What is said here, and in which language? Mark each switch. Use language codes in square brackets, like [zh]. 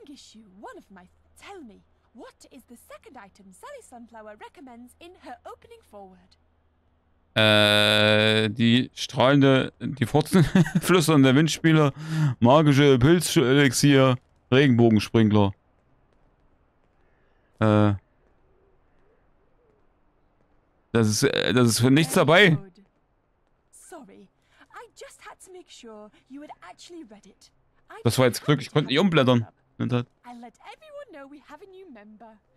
[en] Tell me, what is the second item Sally Sunflower recommends in her opening forward? [de] Die strahlende, die fortflüsternde Windspieler, magische Pilzelixier, Regenbogensprinkler. Das ist für nichts dabei. [en] Sorry, I just had to make sure you had actually read it. [de] Das war jetzt Glück, ich konnte nicht umblättern. [en] I'll let everyone know we have a new member.